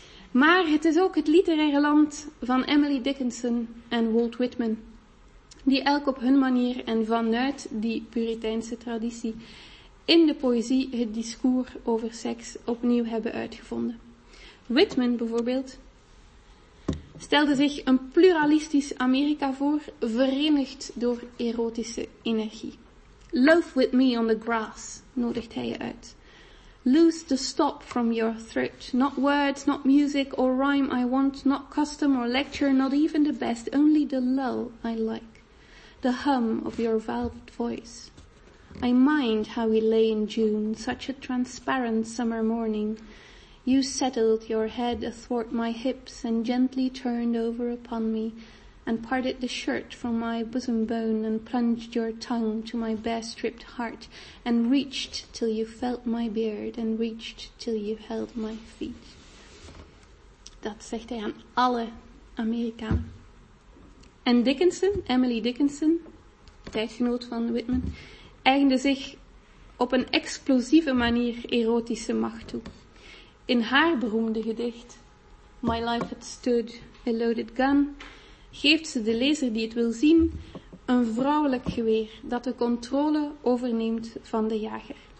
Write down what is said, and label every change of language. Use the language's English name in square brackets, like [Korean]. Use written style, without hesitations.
[Dutch] Maar het is ook het literaire land van Emily Dickinson en Walt Whitman, die elk op hun manier en vanuit die Puritijnse traditie in de poëzie het discours over seks opnieuw hebben uitgevonden. Whitman bijvoorbeeld stelde zich een pluralistisch Amerika voor, verenigd door erotische energie. [English] Love with me on the grass, [Dutch] nodigt hij je uit. [English] Loose the stop from your throat. Not words, not music or rhyme I want, not custom or lecture, not even the best, only the lull I like, the hum of your valved voice. I mind how we lay in June, such a transparent summer morning. You settled your head athwart my hips and gently turned over upon me and parted the shirt from my bosom bone and plunged your tongue to my bare-stripped heart and reached till you felt my beard and reached till you held my feet. [Dutch] Dat zegt hij aan alle Amerikanen. En Dickinson, Emily Dickinson, tijdgenoot van Whitman, eigende zich op een explosieve manier erotische macht toe. In haar beroemde gedicht, My Life Had Stood, A Loaded Gun, geeft ze de lezer die het wil zien een vrouwelijk geweer dat de controle overneemt van de jager.